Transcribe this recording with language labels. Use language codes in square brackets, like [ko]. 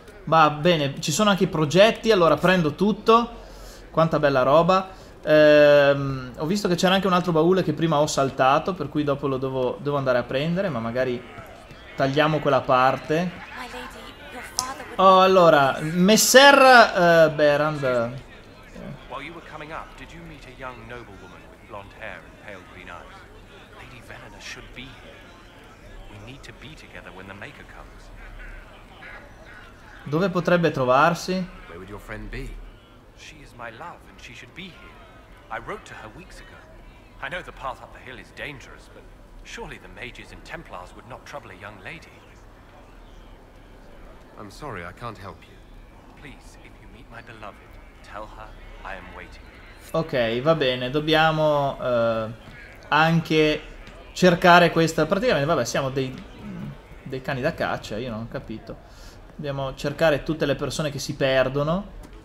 [it] Va bene, ci sono anche i progetti, allora prendo tutto. Quanta bella roba. Ho visto che c'era anche un altro baule che prima ho saltato, per cui dopo lo devo andare a prendere, ma magari tagliamo quella parte. Oh, allora, Messer Berand. [en] While you were coming up, did you meet a young noblewoman with blonde hair and pale green eyes? Lady Venena should be here. We need to be together when the Maker comes. [it] Dove potrebbe trovarsi? [en] Where would your friend be? She is my love and she should be here. I wrote to her weeks ago. I know the path up the hill is dangerous, but surely the mages and Templars would not trouble a young lady. I'm sorry, I can't help you. Please, if you meet my beloved, tell her I am waiting. [it] Ok, va bene, dobbiamo anche cercare questa. Praticamente, vabbè, siamo dei cani da caccia, io non ho capito. Dobbiamo cercare tutte le persone che si perdono.